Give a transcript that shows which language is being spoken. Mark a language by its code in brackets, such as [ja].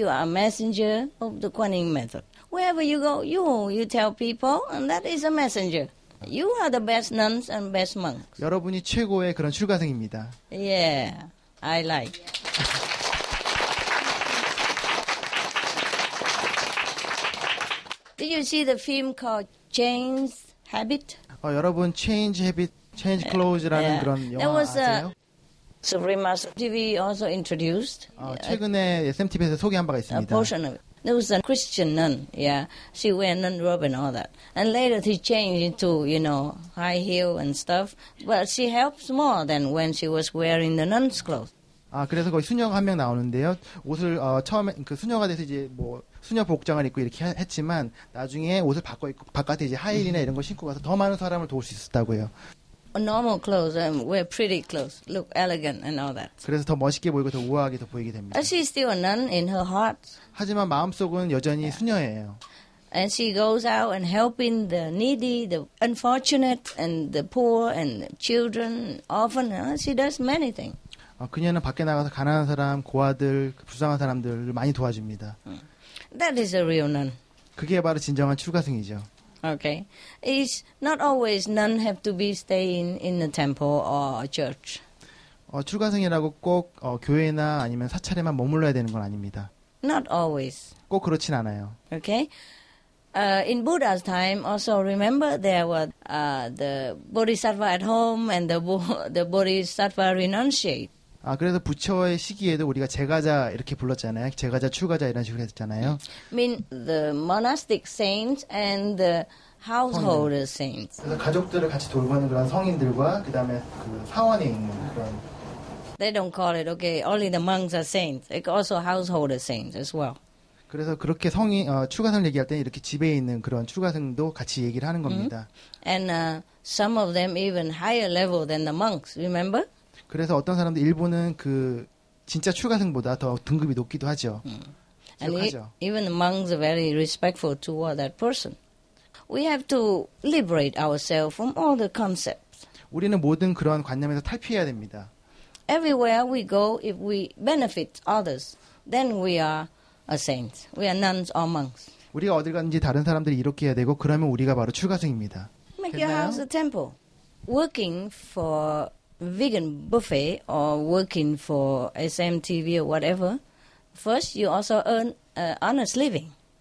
[en] You are a messenger of the Guaning method. Wherever you go, you tell people, and that is a messenger. You are the best nuns and best monks. [ko] 여러분이 최고의 그런 출가생입니다. [en] Yeah, I like. Did you see the film called Change Habit? [ko] 여러분 Change Habit, Change Clothes라는 yeah. 그런 영화 아세요? [en] Supreme Master TV also introduced. [ko] 최근에 SMTV에서 소개한 바가 있습니다. [en] A portion of it. There was a Christian nun, yeah. She wear nun robe and all that. And later she changed into, you know, high heel and stuff. But she helps more than when she was wearing the nun's clothes. [ko] 아, 그래서 거기 수녀가 한 명 나오는데요. 옷을 처음에 그 수녀가 돼서 이제 뭐 수녀 복장을 입고 이렇게 했지만 나중에 옷을 바꿔 입고 바깥에 이제 하이힐이나 이런 거 신고 가서 더 많은 사람을 도울 수 있었다고요. [en] Normal clothes and wear pretty clothes, look elegant and all that. [ko] 그래서 더 멋있게 보이고 더 우아하게 더 보이게 됩니다. [en] She is still a nun in her heart. [ko] 하지만 마음속은 여전히 yeah. 수녀예요. [en] And she goes out and helping the needy, the unfortunate, and the poor, and the children, often. She does many things. [ko] 그녀는 밖에 나가서 가난한 사람, 고아들, 불쌍한 사람들을 많이 도와줍니다. [en] That is a real nun. [ko] 그게 바로 진정한 출가생이죠. [en] Okay. It's not always nun have to be staying in the temple or a church. [ko] 출가생이라고 꼭 교회나 아니면 사찰에만 머물러야 되는 건 아닙니다. [en] Not always. [ko] 꼭 그렇진 않아요. [en] Okay. In Buddha's time, also remember there were the Bodhisattva at home and the Bodhisattva renunciate. [ko] 그래서 부처의 시기에도 우리가 제가자 이렇게 불렀잖아요. 제가자, 출가자 이런 식으로 했잖아요. [en] Mean the monastic saints and the household saints. [ko] 그래서 가족들을 같이 돌보는 그런 성인들과 그다음에 그 사원에 있는 그런. [en] They don't call it okay. Only the monks are saints. It's also household saints as well. [ko] 그래서 그렇게 성인 출가생 얘기할 때 이렇게 집에 있는 그런 출가생도 같이 얘기를 하는 겁니다. [en] And some of them even higher level than the monks. Remember? [ko] 그래서 어떤 사람들 일부는 그 진짜 출가생보다 더 등급이 높기도 하죠. [en] And even the monks are very respectful toward that person. We have to liberate ourselves from all the concepts. [ko] 우리는 모든 그런 관념에서 탈피해야 됩니다. [en] Everywhere we go, if we benefit others, then we are a saint. We are nuns or monks. [ko] 우리가 어딜 가든지 다른 사람들이 이롭게 해야 되고 그러면 우리가 바로 출가생입니다. [en] think your house is a temple. Working for vegan buffet or working for SMTV or whatever, first you also earn honest living.